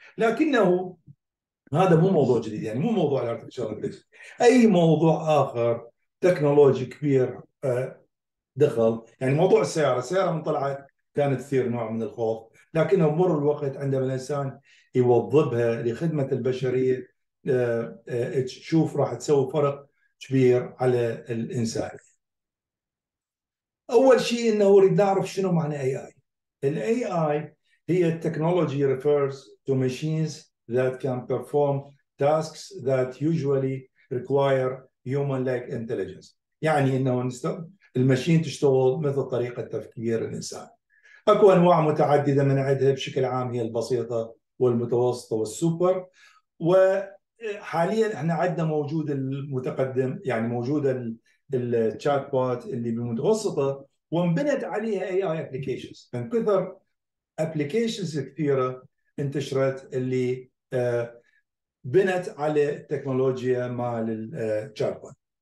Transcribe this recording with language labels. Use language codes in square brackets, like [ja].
[ar] لكنه هذا مو موضوع جديد، يعني مو موضوع الارتفيشال انتليجنس، اي موضوع اخر تكنولوجي كبير دخل، يعني موضوع السياره من طلعت كانت تثير نوع من الخوف، لكنه مر الوقت عندما الانسان يوظبها لخدمه البشريه تشوف راح تسوي فرق كبير على الانسان. اول شيء انه نريد نعرف شنو معنى اي اي. الاي اي هي التكنولوجي [en] refers to machines that can perform tasks that usually require human-like intelligence. [ar] يعني انه الماشين تشتغل مثل طريقه تفكير الانسان. اكو انواع متعدده من عدها، بشكل عام هي البسيطه والمتوسطه والسوبر. وحاليا احنا عندنا موجود المتقدم، يعني موجود الشات بوت اللي بالمتوسطه، وانبنت عليها اي اي ابلكيشنز، من كثر ابلكيشنز كثيره انتشرت اللي بنت على تكنولوجيا مع الجربون.